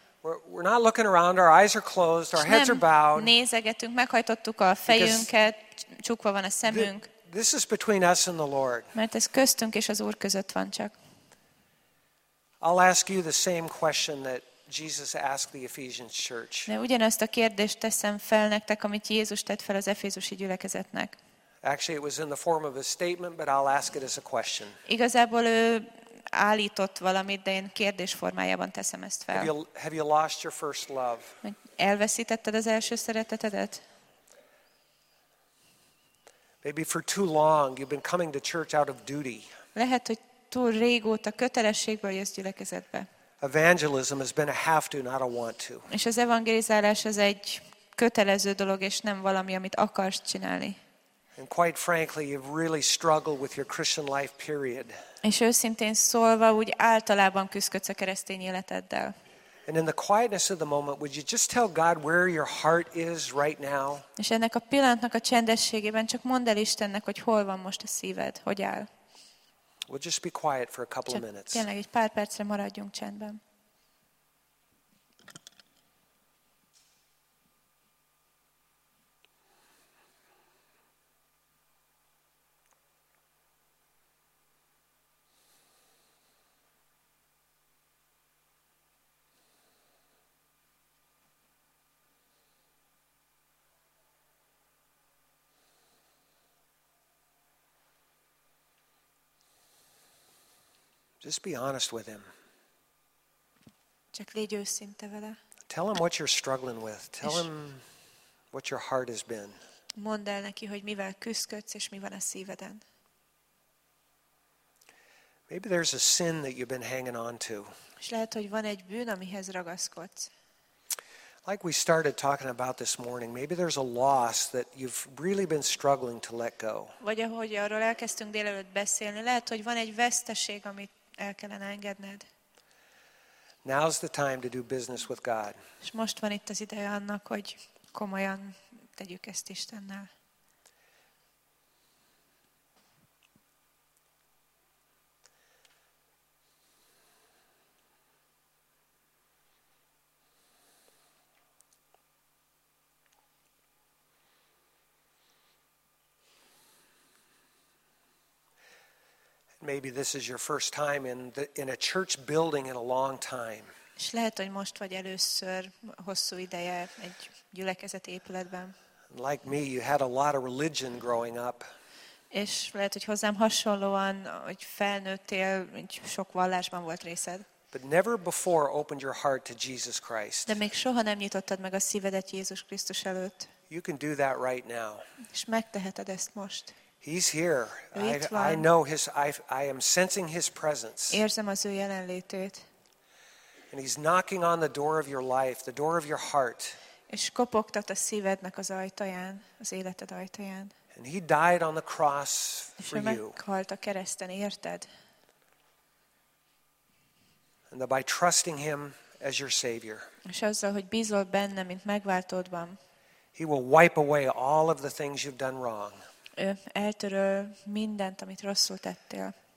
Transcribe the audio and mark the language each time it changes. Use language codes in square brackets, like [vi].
[en] We're not looking around, our eyes are closed, our heads are bowed. [hu] Nem nézegetünk, meghajtottuk a fejünket, csukva van a szemünk. [en] This is between us and the Lord. [hu] Mert ez köztünk és az Úr között van csak. [en] I'll ask you the same question that Jesus asked the Ephesians church. [hu] De ugyanazt a kérdést teszem fel nektek, amit Jézus tett fel az efézusi gyülekezetnek. [en] Actually, it was in the form of a statement, but I'll ask it as a question. [hu] Igazából ő állított valamit, de én kérdés formájában teszem ezt fel. [en] Have you lost your first love? [hu] Elveszítetted az első szeretetedet? [en] Maybe for too long you've been coming to church out of duty. [hu] Lehet, hogy túl régóta kötelességből jössz gyülekezetbe. [en] Evangelism has been a have to, not a want to. [hu] És az evangelizálás az egy kötelező dolog, és nem valami, amit akarsz csinálni. [en] And quite frankly, you've really struggled with your Christian life, period. [hu] És őszintén szólva, úgy általában küzdködsz a keresztény életeddel. [en] And in the quietness of the moment, would you just tell God where your heart is right now? [hu] És ennek a pillanatnak a csendességében csak mondd el Istennek, hogy hol van most a szíved, hogy áll. [en] We'll just be quiet for a couple of minutes. [hu] Tényleg egy pár percre maradjunk csendben. [en] Just be honest with him. [hu] Csak légy őszinte vele. [en] Tell him what you're struggling with. Tell him what your heart has been. [hu] Mondd el neki, hogy mivel küzdködsz és mi van a szíveden. [en] Maybe there's a sin that you've been hanging on to. [hu] És lehet, hogy van egy bűn, amihez ragaszkodsz. [en] Like we started talking about this morning, maybe there's a loss that you've really been struggling to let go. [hu] Vagy ahogy arról elkezdtünk délelőtt beszélni, lehet, hogy van egy veszteség, amit el kellene engedned. [en] Now's the time to do business with God. [hu] És most van itt az ideje annak, hogy komolyan tegyük ezt Istennel. [en] Maybe this is your first time in a church building in a long time. [hu] És lehet, hogy most vagy először hosszú ideje egy gyülekezet épületben. [en] Like me, you had a lot of religion growing up. [hu] És lehet, hogy hozzám hasonlóan, hogy felnőttél, hogy sok vallásban volt részed. [en] But never before opened your heart to Jesus Christ. [hu] De még soha nem nyitottad meg a szívedet Jézus Krisztus előtt. [en] You can do that right now. [hu] És megteheted ezt most. [en] He's here. I know his. I am sensing his presence. [hu] Érzem az ő jelenlétét. [en] And he's knocking on the door of your life, the door of your heart. [hu] És kopogtat a szívednek az ajtaján, az életed ajtaján. [en] And he died on the cross for you. [hu] És meghalt a kereszten, érted? [en] And by trusting him as your savior. [hu] És azzal, hogy bízol benne, mint megváltódban. [en] He will wipe away all of the things you've done wrong. [hu] Ő eltöröl mindent, amit rosszul tettél.